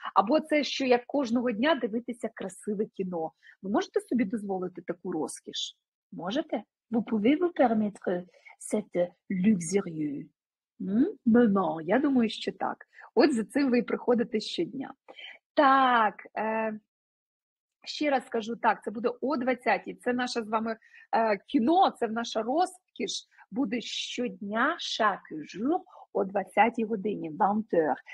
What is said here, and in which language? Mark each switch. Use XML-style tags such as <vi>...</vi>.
<uk>Або це, що як кожного дня дивитися красиве кіно. Ви можете собі дозволити таку розкіш? Можете?</uk> <fr>Vous pouvez-vous permettre cette luxurieuse?</fr> <uk>Maman, я думаю, що так. От за цим ви і приходите щодня. Так, ще раз скажу, так, це буде о 20-й, це наше з вами кіно, це наша розкіш, буде щодня, chaque jour, о 20-й годині, 20h.</uk>